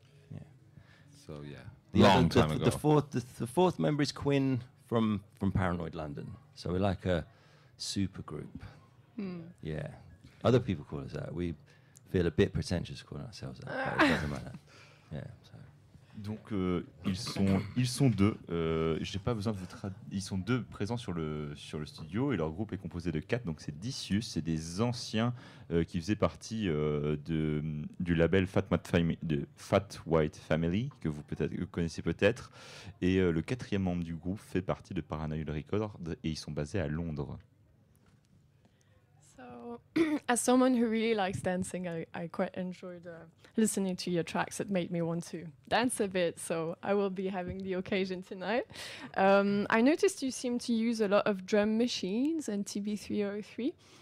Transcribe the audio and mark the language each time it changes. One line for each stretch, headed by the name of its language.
English: So, yeah. So, yeah. Long time ago. The fourth member is Quinn from Paranoid London. So we're like a super group. Hmm. Yeah. Other people call us that. We feel a bit pretentious calling ourselves that, but it doesn't matter. Yeah. So.
French: Donc ils sont deux. J'ai pas besoin de vous ils sont deux présents sur le studio et leur groupe est composé de quatre. Donc c'est Decius, c'est des anciens qui faisaient partie du label Fat White Family que vous connaissez peut-être. Et le quatrième membre du groupe fait partie de Paranoid Records et ils sont basés à Londres.
English: As someone who really likes dancing, I quite enjoyed listening to your tracks. It made me want to dance a bit, so I will be having the occasion tonight. I noticed you seem to use a lot of drum machines and TB-303.